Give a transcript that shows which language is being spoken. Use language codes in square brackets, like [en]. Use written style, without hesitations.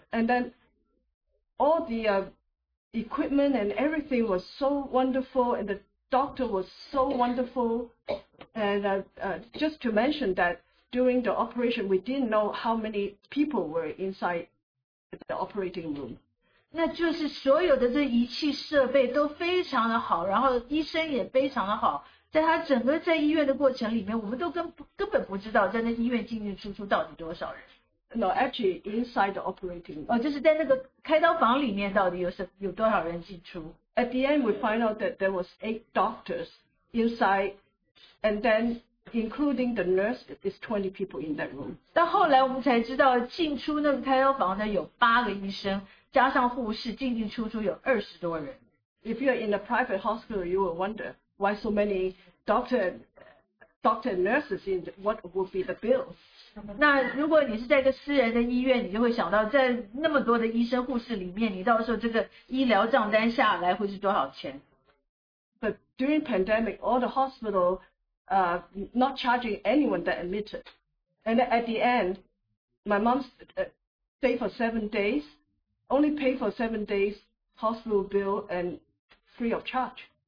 [en] and then all the equipment and everything was so wonderful, and the doctor was so wonderful. And just to mention that during the operation, we didn't know how many people were inside the operating room. [zh] 那就是所有的这仪器设备都非常的好，然后医生也非常的好，在他整个在医院的过程里面，我们都根本不知道在那医院进进出出到底多少人。 [en] No, actually, inside the operating room. [zh] 哦，就是在那个开刀房里面，到底有多少人进出？ [en] At the end, we find out that there was 8 doctors inside, and then including the nurse, is 20 people in that room. [zh] 但后来我们才知道进出那个开刀房的有八个医生，加上护士进进出出有二十多人。 [en] If you're in a private hospital, you will wonder why so many doctor and nurses in the, what would be the bill? [zh] 那如果你是在一个私人的医院，你就会想到在那么多的医生护士里面，你到时候这个医疗账单下来会是多少钱？ [en] But during pandemic, all the hospital not charging anyone that admitted. And at the end, my mom stayed for 7 days, only paid for 7 days hospital bill and free of charge.